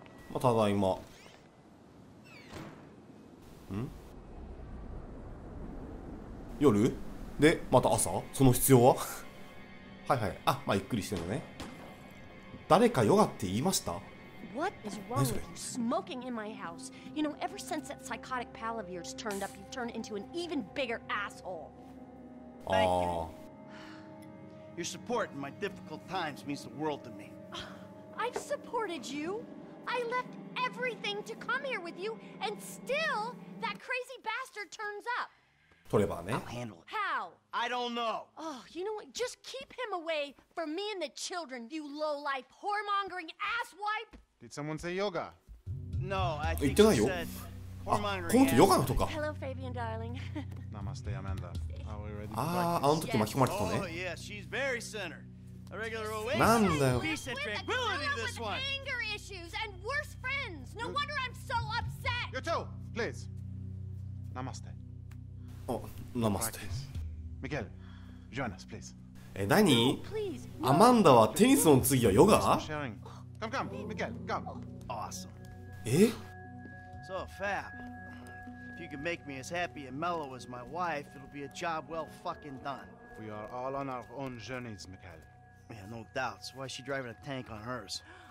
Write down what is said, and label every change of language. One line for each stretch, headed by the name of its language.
Japanese: まあ、ただいま。ん？夜？で、また朝？その必要は？はいはい、あ、まあゆっくりしてるのね。誰かヨガって言いました？
English: What is wrong with you? Smoking in my house. You know, ever since that psychotic pal of yours turned up, you've turned into an even bigger asshole. Thank you. Your support in my difficult times means the world to me. I've supported you. I left everything to come here with you, and still that crazy bastard turns up. Trevor, I'll handle it. How? I don't know. Oh, you know what? Just keep him away from me and the children, you low-life, whoremongering asswipe. Did someone say yoga? No, I think she said...
Japanese: あ、この時ヨガの人か。
English: Hello, Fabian, darling. Namaste, Amanda. Are we ready to practice?
Japanese: ああ、あの時巻き込まれてたね。
English: Oh, yeah, she's very center. A regular oasis.
Japanese: なんだよ。
English: Peace and tranquility, this one. With anger issues and worse friends. No wonder I'm so upset. Yoto, please. Namaste.
Japanese: あ、Namaste.
English: Miguel, join us, please.
Japanese: え、なに？アマンダはテニスの次はヨガ？
English: Come, come, Miguel, come. Awesome. Eh? So, Fab, if you can make me as happy and mellow as my wife, it'll be a job well fucking done. We are all on our own journeys, Miguel. Yeah, no doubts. Why is she driving a tank on hers?